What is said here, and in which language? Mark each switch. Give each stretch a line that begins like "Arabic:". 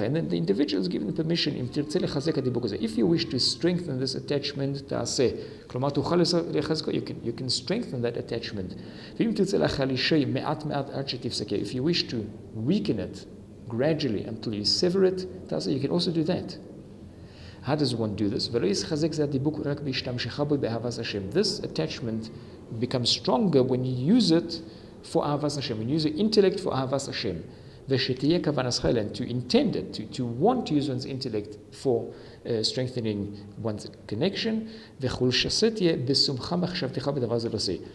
English: And then the individual is given permission,
Hebrew: אם תרצה לחזק הדיבוק הזה.
English: If you wish to strengthen this attachment,
Hebrew: תעשה. כלומר, תוכל לחזק,
English: you can strengthen that attachment.
Hebrew: ואם תרצה לחלישה מעט מעט עד שתפסקה.
English: If you wish to weaken it gradually until you sever it,
Hebrew: תעשה.
English: You can also do that. How does one do this?
Hebrew: ולא יחזק זה הדיבוק רק בהשתמשך בו באהבת השם.
English: This attachment becomes stronger when you use it for אהבת השם. When you use your intellect for אהבת השם.
Hebrew: ושתהיה כוונתך אליה,
English: to intend it, to want to use one's intellect for strengthening one's connection,
Hebrew: וחולשסה תהיה בשומך מחשבתך בדבר זה לא עושה.